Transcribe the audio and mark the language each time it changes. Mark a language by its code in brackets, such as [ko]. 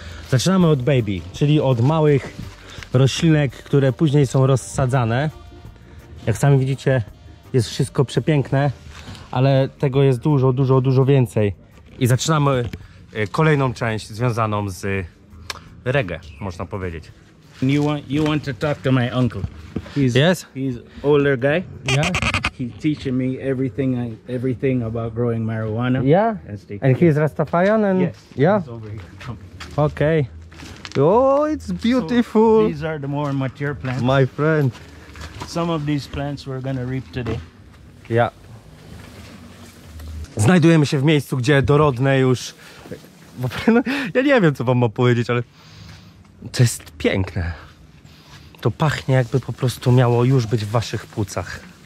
[pl] Zaczynamy od baby, czyli od małych roślinek, które później są rozsadzane. Jak sami widzicie, jest wszystko przepiękne, ale tego jest dużo, dużo, dużo więcej. I zaczynamy kolejną część związaną z reggae, można powiedzieć. [en] You want to talk to my uncle? He's, yes. He's older guy. Yeah. He's teaching me everything about growing marijuana. Yeah. And he's Rastafarian and yes. Yeah. He's over here. Okay. Oh, it's beautiful. So these are the more mature plants. My friend. Some of these plants we're gonna reap today. Yeah. [pl] Znajdujemy się w miejscu, gdzie dorodne już. Ja nie wiem, co wam mam powiedzieć, ale to jest piękne. To pachnie, jakby po prostu miało już być w waszych płucach.